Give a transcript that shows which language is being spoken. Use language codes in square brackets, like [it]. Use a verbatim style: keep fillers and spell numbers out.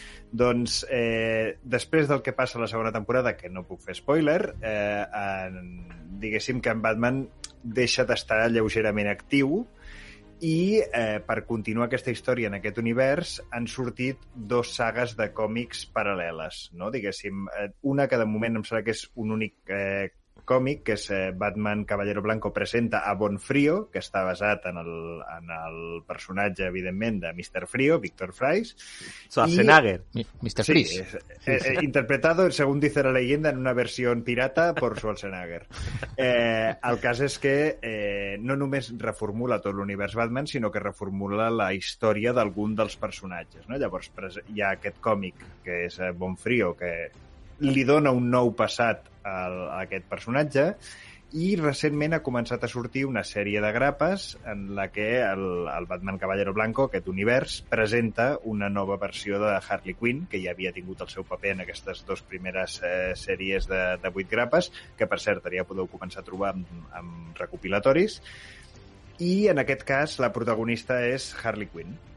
[ca] Doncs, eh, després del que passa a la segona temporada, que no puc fer spoiler, eh, en, diguéssim que en Batman deixa d'estar lleugerament actiu, i eh, per continuar aquesta història en aquest univers han sortit dos sagues de còmics paral·leles, no? Diguéssim, una que de moment em sembla que és un únic eh, còmic, que és eh, Batman Caballero Blanco presenta a Von Frío, que està basat en el, en el personatge, evidentment, de míster Frío, Víctor Fries. Schwarzenegger. I... míster Fries. Sí, [es] eh, eh, interpretado, según dice la leyenda, en una versión pirata por Schwarzenegger. [ca] Eh, el cas és que eh, no només reformula tot l'univers Batman, sinó que reformula la història d'algun dels personatges, no? Llavors, hi ha aquest còmic, que és eh, Von Frío, que li dona un nou passat a, a aquest personatge, i recentment ha començat a sortir una sèrie de grapes en la que el, el Batman Caballero Blanco, aquest univers, presenta una nova versió de Harley Quinn, que ja havia tingut el seu paper en aquestes dos primeres eh, sèries de, de vuit grapes, que per cert ja podeu començar a trobar amb, amb recopilatoris, i en aquest cas la protagonista és Harley Quinn.